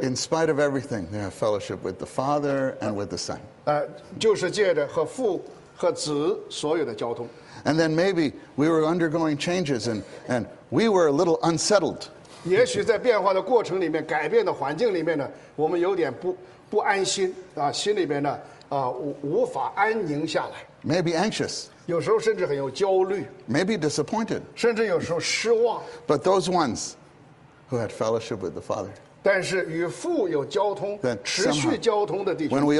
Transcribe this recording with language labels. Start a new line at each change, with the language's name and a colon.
English: In spite of everything, they have fellowship with the Father and with the Son.
Chinese: 就是借着和父和子所有的交通。
English: And then maybe we were undergoing changes and we were a little unsettled.
Chinese: 也许在变化的过程里面，改变的环境里面呢，我们有点不安心心里面呢无法安宁下来。
English: Maybe anxious.
Chinese: 有时候甚至很有焦虑。
English: Maybe disappointed.
Chinese: 甚至有时候失望。
English: But those ones who had fellowship with the Father.
Chinese: 但是与父有交通，持续交通的弟兄。